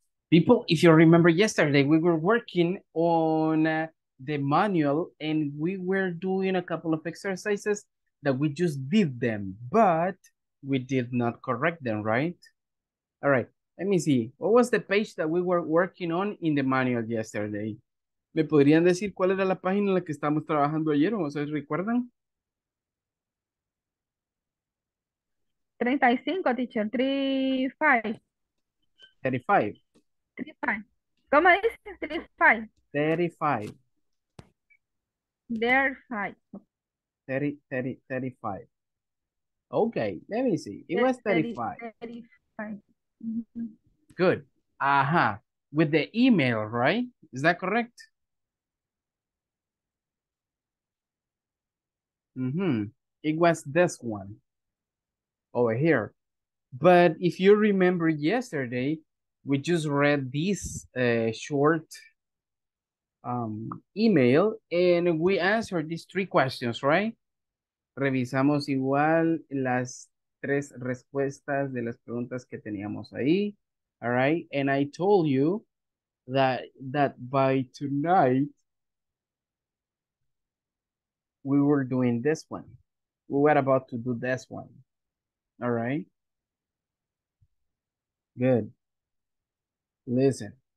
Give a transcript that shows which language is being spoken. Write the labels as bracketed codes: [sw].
[en] People, if you remember yesterday, we were working on the manual and we were doing a couple of exercises that we just did them, but we did not correct them, right? All right, let me see. What was the page that we were working on in the manual yesterday? [es] ¿Me podrían decir cuál era la página en la que estábamos trabajando ayer? ¿O ustedes recuerdan? [en] 35, teacher. 35. [es] 35. ¿Cómo dice? 35. [en] 35. 35. Okay, let me see. It was 35. 35. Good. Ajá. With the email, right? Is that correct? Mm-hmm. It was this one over here. But if you remember yesterday, we just read this short email and we answered these three questions, right? [es] Revisamos igual las tres respuestas de las preguntas que teníamos ahí. [en] All right. And I told you that by tonight, we were doing this one. We were about to do this one. All right. Good. Listen.